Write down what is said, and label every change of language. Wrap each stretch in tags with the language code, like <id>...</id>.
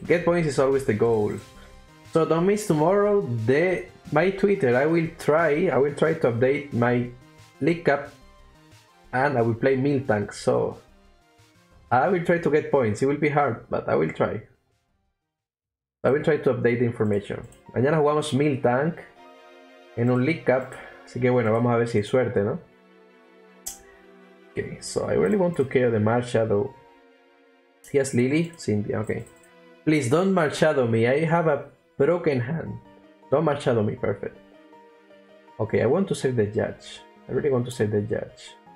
<en>Get points is always the goal. So don't miss tomorrow my Twitter. I will try to update my League Cup and I will play Mil Tank. So I will try to get points. It will be hard, but I will try. I will try to update the information.</en> <es>Mañana jugamos Mil Tank en un League Cup. Así que bueno, vamos a ver si hay suerte, ¿no?</es> <en>Okay, so I really want to KO the Mar Shadow. He has Lily, Cynthia, okay. Please don't Mar Shadow me, I have a broken hand. Don't Mar Shadow me, perfect. Okay, I want to save the Judge. I really want to save the Judge.</en>